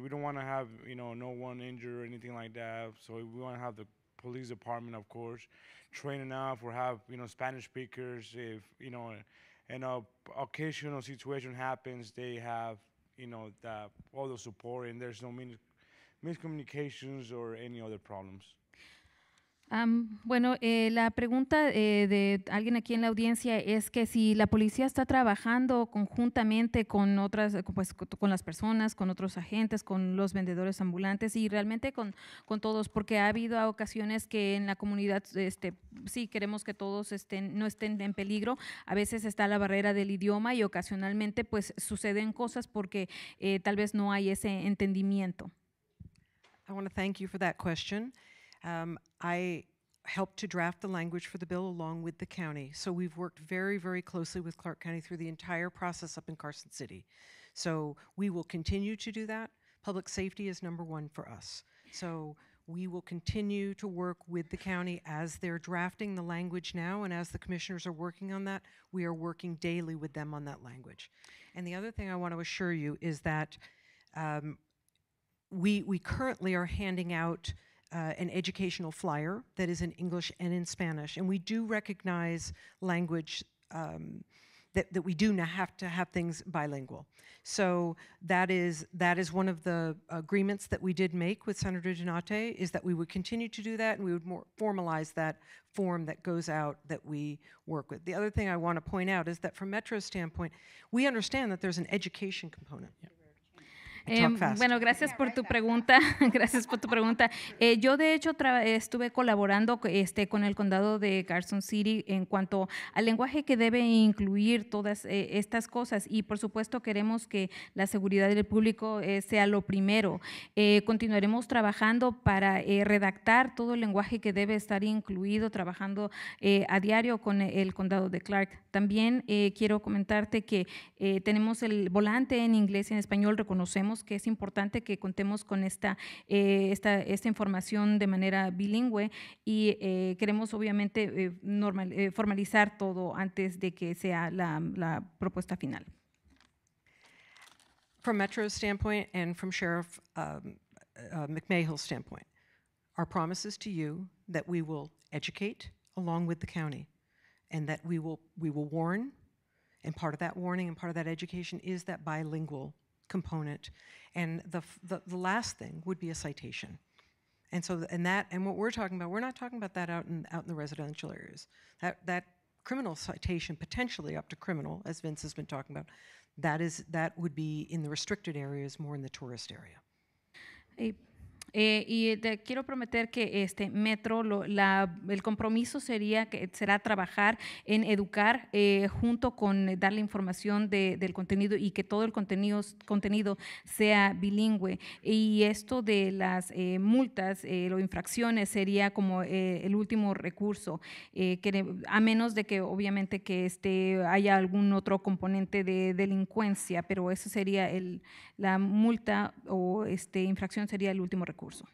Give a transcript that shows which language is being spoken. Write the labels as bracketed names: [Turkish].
[English] We don't want to have, no one injured or anything like that. So we want to have the police department, of course, train enough or have, Spanish speakers. If, an occasional situation happens, they have, all the support and there's no miscommunications or any other problems. [Spanish] Bueno, la pregunta de alguien aquí en la audiencia es que si la policía está trabajando conjuntamente con otras, pues, con las personas, con otros agentes, con los vendedores ambulantes y realmente con todos, porque ha habido ocasiones que en la comunidad, sí queremos que todos estén, no estén en peligro. A veces está la barrera del idioma y ocasionalmente, pues, suceden cosas porque tal vez no hay ese entendimiento. [English] I want to thank you for that question. I helped to draft the language for the bill along with the county. So we've worked very, very closely with Clark County through the entire process up in Carson City. So we will continue to do that. Public safety is number one for us. So we will continue to work with the county as they're drafting the language now, and as the commissioners are working on that, we are working daily with them on that language. And the other thing I want to assure you is that we currently are handing out an educational flyer that is in English and in Spanish. And we do recognize language that we do now have to have things bilingual. So that is one of the agreements that we did make with Senator Donate, is that we would continue to do that and we would more formalize that form that goes out that we work with. The other thing I want to point out is that from Metro's standpoint, we understand that there's an education component. Yeah. [Spanish] Bueno, gracias por tu pregunta. Gracias por tu pregunta. Yo de hecho estuve colaborando con el condado de Carson City en cuanto al lenguaje que debe incluir todas estas cosas y por supuesto queremos que la seguridad del público sea lo primero. Continuaremos trabajando para redactar todo el lenguaje que debe estar incluido, trabajando a diario con el condado de Clark. También quiero comentarte que tenemos el volante en inglés y en español. Reconocemos que es importante que contemos con esta información de manera bilingüe y queremos obviamente formalizar todo antes de que sea la propuesta final. [English] From Metro's standpoint and from Sheriff McMahill's standpoint, our promise is to you that we will educate along with the county. And that we will warn, and part of that warning and part of that education is that bilingual component. And the last thing would be a citation. And so what we're talking about, we're not talking about that out in the residential areas. That criminal citation, potentially up to criminal, as Vince has been talking about, that would be in the restricted areas, more in the tourist area. [Spanish] Quiero prometer que Metro, el compromiso sería que será trabajar en educar junto con dar la información del contenido y que todo el contenido sea bilingüe. Y esto de las multas o infracciones sería como el último recurso, a menos de que obviamente que haya algún otro componente de delincuencia, pero eso sería la multa o infracción sería el último recurso.